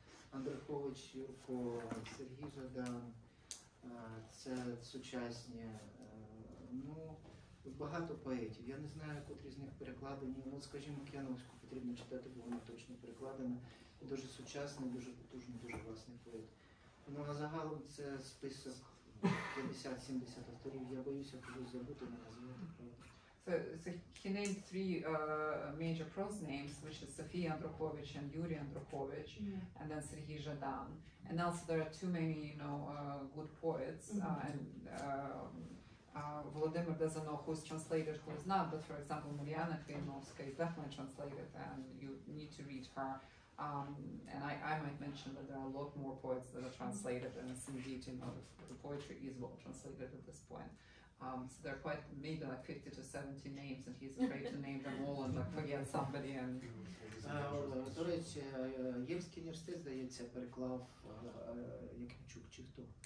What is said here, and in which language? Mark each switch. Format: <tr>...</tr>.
<uk>Андрухович, Юрко, Сергій Жадан, це сучасні, ну, багато поетів. Я не знаю, котрі з них перекладені. Ну, скажімо, Кіановську потрібно читати, бо вона точно перекладена. Дуже сучасний, дуже потужний, дуже класний поет. Ну, а загалом це список 50-70 авторів. Я боюся когось забути, не називати.</uk> <en>So he named three major prose names, which is Sofia Andrukhovich and Yuri Andrukhovich, mm-hmm. and then Serhii Zhadan. And also there are too many, you know, good poets. Mm-hmm. And Volodymyr doesn't know who's translated, who is not. But for example, Mariana Krimovska is definitely translated, and you need to read her. And I might mention that there are a lot more poets that are translated, and it's indeed, you know, the poetry is well translated at this point. So there are quite maybe like 50 to 70 names, and he's afraid to name them all and like forget somebody. And</en> <uk>до речі, Ємський університет, здається, переклав Якимчук чи хто?</uk>